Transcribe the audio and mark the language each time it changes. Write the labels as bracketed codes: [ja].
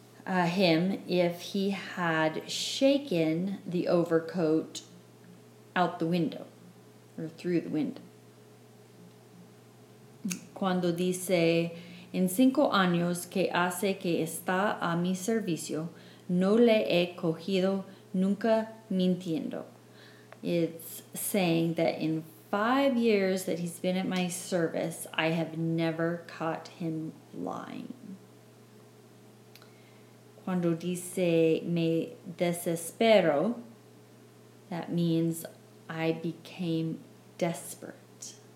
[en] him if he had shaken the overcoat out the window or through the window. [es] Cuando dice, en 5 años que hace que está a mi servicio, no le he cogido nunca mintiendo. [en] It's saying that in 5 years that he's been at my service, I have never caught him lying. [es] Cuando dice, me desespero, [en] that means I became desperate.